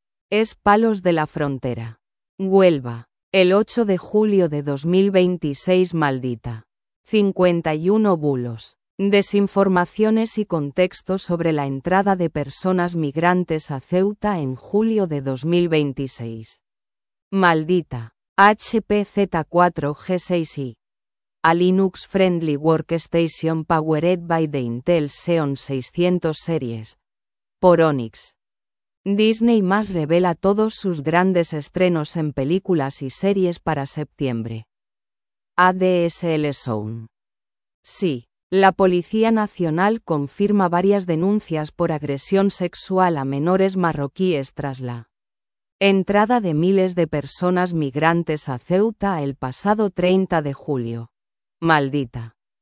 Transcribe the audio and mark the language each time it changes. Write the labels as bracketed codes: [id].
[es] Es Palos de la Frontera. Huelva. El 8 de julio de 2026, maldita. 51 bulos. Desinformaciones y contexto sobre la entrada de personas migrantes a Ceuta en julio de 2026. Maldita. HP Z4 G6i. [en] A Linux Friendly Workstation Powered by the Intel Xeon 600 Series. [es] Por Onyx. Disney Plus revela todos sus grandes estrenos en películas y series para septiembre. ADSL Zone. Sí. La Policía Nacional confirma varias denuncias por agresión sexual a menores marroquíes tras la entrada de miles de personas migrantes a Ceuta el pasado 30 de julio. Maldita.